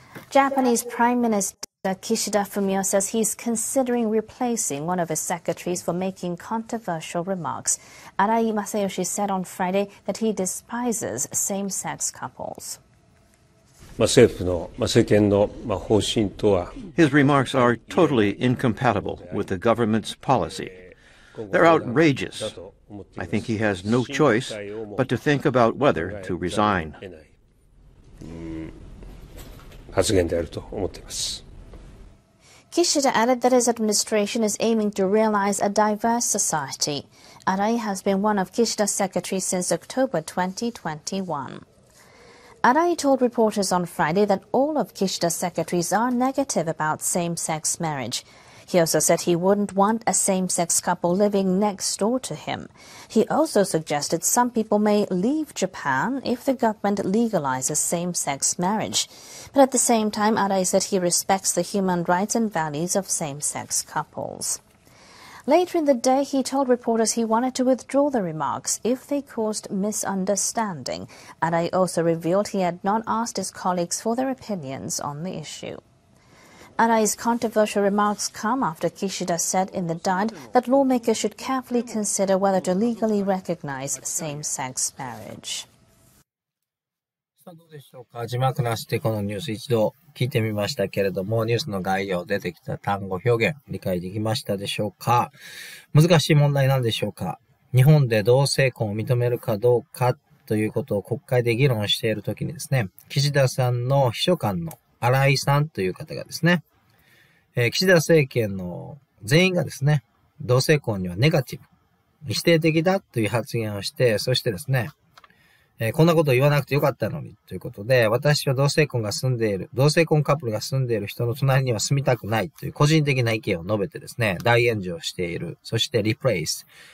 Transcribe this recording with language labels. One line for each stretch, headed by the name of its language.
English: Japanese Prime Minister Kishida Fumio says he's considering replacing one of his secretaries for making controversial remarks. Arai Masayoshi said on Friday that he despises same-sex couples.
Japanese: 政府の政権の方針とは
English: His remarks are totally incompatible with the government's policy. They're outrageous. I think he has no choice but to think about whether to resign.
Japanese: 発言であると思っています。
English: Kishida added that his administration is aiming to realize a diverse society. Arai has been one of Kishida's secretaries since October 2021. Arai told reporters on Friday that all of Kishida's secretaries are negative about same-sex marriage. He also said he wouldn't want a same-sex couple living next door to him. He also suggested some people may leave Japan if the government legalizes same-sex marriage. But at the same time, Arai said he respects the human rights and values of same-sex couples. Later in the day, he told reporters he wanted to withdraw the remarks if they caused misunderstanding. Arai also revealed he had not asked his colleagues for their opinions on the issue. Arai's controversial remarks come after Kishida said in the diet that lawmakers should carefully consider whether to legally recognize same-sex marriage.
Japanese: さあどうでしょうか。字幕なしでこのニュース一度聞いてみましたけれども、ニュースの概要出てきた単語表現理解できましたでしょうか。難しい問題なんでしょうか。日本で同性婚を認めるかどうかということを国会で議論しているときにですね、岸田さんの秘書官の新井さんという方がですね、岸田政権の全員がですね、同性婚にはネガティブ、否定的だという発言をして、そしてですね、こんなこと言わなくてよかったのにということで、私は同性婚カップルが住んでいる人の隣には住みたくないという個人的な意見を述べてですね、大炎上している。そしてリプレイス。